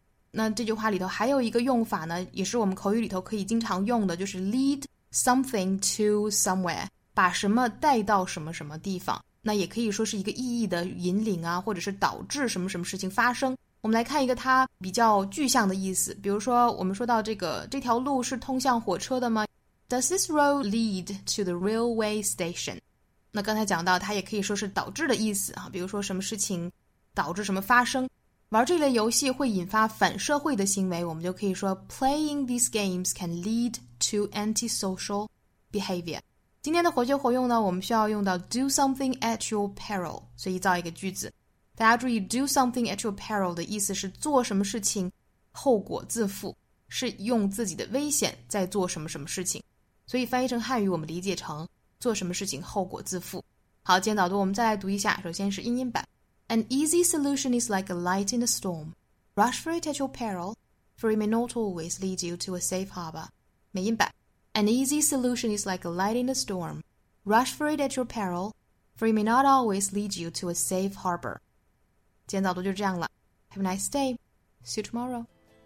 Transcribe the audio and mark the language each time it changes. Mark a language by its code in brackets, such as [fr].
[zh] 那这句话里头还有一个用法呢，也是我们口语里头可以经常用的，就是 lead something to somewhere, 把什么带到什么什么地方，那也可以说是一个意义的引领啊，或者是导致什么什么事情发生。我们来看一个它比较具象的意思，比如说我们说到这条路是通向火车的吗？ [en] Does this road lead to the railway station? [zh] 那刚才讲到它也可以说是导致的意思啊，比如说什么事情导致什么发生，玩这类游戏会引发反社会的行为，我们就可以说 [en] Playing these games can lead to antisocial behavior. [zh] 今天的活学活用呢，我们需要用到 do something at your peril, 所以造一个句子。大家注意 do something at your peril 的意思是做什么事情后果自负，是用自己的危险在做什么什么事情，所以翻译成汉语我们理解成做什么事情后果自负。好，今天导读我们再来读一下，首先是英音版。 [en] An easy solution is like a light in a storm. Rush for it at your peril, for it may not always lead you to a safe harbor. [zh] 美音版。 [en] An easy solution is like a light in a storm. Rush for it at your peril, for it may not always lead you to a safe harbor. [zh] 今天导读就这样了。 [en] Have a nice day. See you tomorrow.